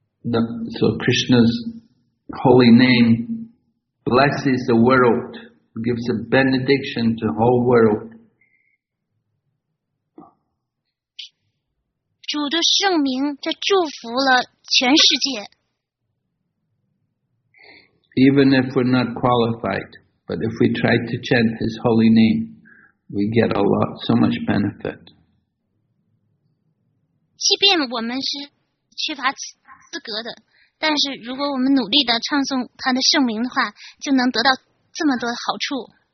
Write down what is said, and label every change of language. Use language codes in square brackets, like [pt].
[en] So Krishna's holy name blesses the world, gives a benediction to the whole world. [zh] 主的圣名这祝福了全世界。 [en] Even if we're not qualified, but if we try to chant his holy name, we get a lot, so much benefit. [zh] 即便我们是缺乏资格的，但是如果我们努力地唱诵他的圣名的话，就能得到这么多好处。